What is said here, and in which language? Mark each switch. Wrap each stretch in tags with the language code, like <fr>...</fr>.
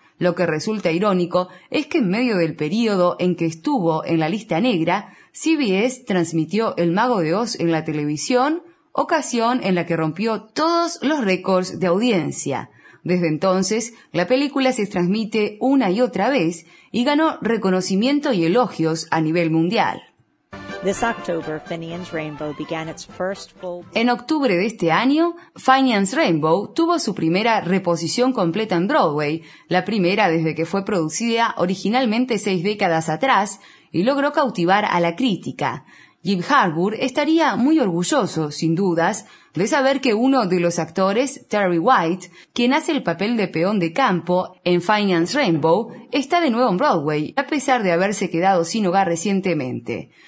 <es>Lo que resulta irónico es que en medio del período en que estuvo en la lista negra, CBS transmitió El Mago de Oz en la televisión, ocasión en la que rompió todos los récords de audiencia. Desde entonces, la película se transmite una y otra vez y ganó reconocimiento y elogios a nivel mundial.</es> <en>This October, Finian's Rainbow began its first full...</en> <es>En octubre de este año, Finian's Rainbow tuvo su primera reposición completa en Broadway, la primera desde que fue producida originalmente 6 décadas atrás, y logró cautivar a la crítica. Jim Harbour estaría muy orgulloso, sin dudas, de saber que uno de los actores, Terry White, quien hace el papel de peón de campo en Finance Rainbow, está de nuevo en Broadway, a pesar de haberse quedado sin hogar recientemente.</es>